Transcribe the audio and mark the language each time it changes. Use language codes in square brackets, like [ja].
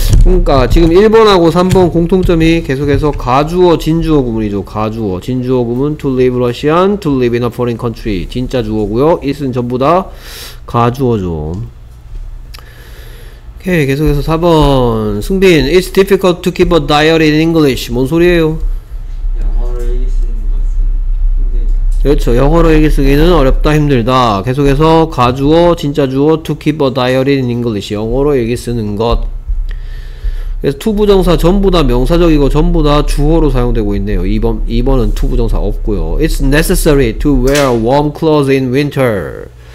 [ko] 그러니까 지금 1번하고 3번 공통점이 계속해서 가주어 진주어 구문이죠. 가주어 진주어 구문 [en] to live Russian, to live in a foreign country [ko] 진짜 주어고요. is는 전부 다 가주어죠. 오케이, 계속해서 4번 승빈. [en] It's difficult to keep a diary in English. [ko] 뭔 소리예요? 영어로 얘기 쓰는 것은 힘들다. 그렇죠. 영어로 얘기 쓰기는 어렵다, 힘들다. 계속해서 가주어 진짜 주어 [en] to keep a diary in English. [ko] 영어로 얘기 쓰는 것. 그래서 to 부정사 전부 다 명사적이고 전부 다 주어로 사용되고 있네요. 2번은 to 부정사 없고요. [en] It's necessary to wear warm clothes in winter.